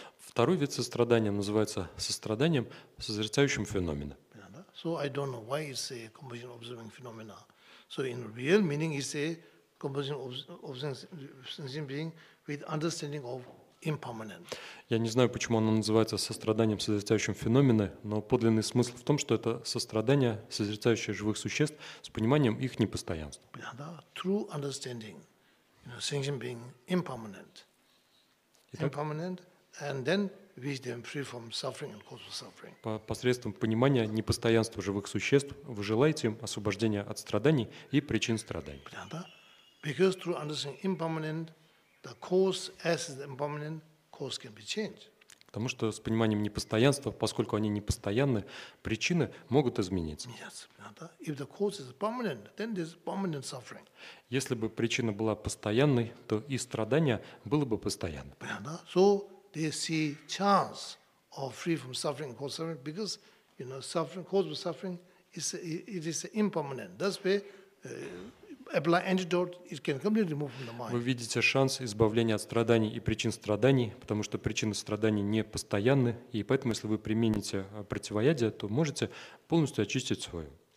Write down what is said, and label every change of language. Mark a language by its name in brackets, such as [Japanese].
[Russian] Второй вид сострадания называется состраданием созерцающим феномена. [English] So I don't know why it's a compassion observing phenomena. So in real meaning it's a compassion observing being with understanding of impermanent. [Russian] Я не знаю, почему оно называется состраданием созерцающим феномена, но подлинный смысл в том, что это сострадание созерцающих живых существ с пониманием их непостоянства. [English] True understanding, sentient being impermanent. Impermanent. And then wish them free from suffering and cause of suffering. [Russian] Посредством понимания непостоянства живых существ вы желаете им освобождения от страданий и причин страданий. Понятно? [English] Because through understanding impermanent, the cause as is impermanent, cause can be changed. [Russian] Потому что с пониманием непостоянства, поскольку они непостоянны, причины могут измениться. Yes, понятно? [English] If the cause is permanent, then there's permanent suffering. [Russian] Если бы причина была постоянной, то и страдание было бы постоянным. Понятно? [English] So they see chance of free from suffering, cause of suffering, because suffering, cause of suffering, it is impermanent. That's why [Russian] Вы видите шанс избавления от страданий и причин страданий, потому что причины страданий не постоянны, и поэтому, если вы примените противоядие, то можете полностью очистить свое.